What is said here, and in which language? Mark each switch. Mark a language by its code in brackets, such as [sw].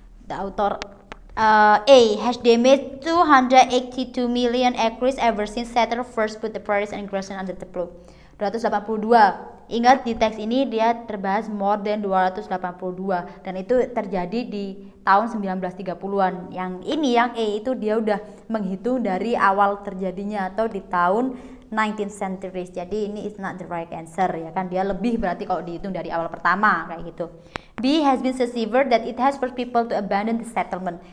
[en] The author, A, has damaged 282 million acres ever since settler first put the prairies and grassland under the plow. 282. [id] Ingat di teks ini dia terbahas [en] more than 282 [id] dan itu terjadi di tahun 1930-an. Yang ini yang E itu dia udah menghitung dari awal terjadinya atau di tahun [en] 19th century. [id] Jadi ini [en] is not the right answer [id] ya kan. Dia lebih berarti kalau dihitung dari awal pertama kayak gitu. [en] B has been so severe that it has forced people to abandon the settlement.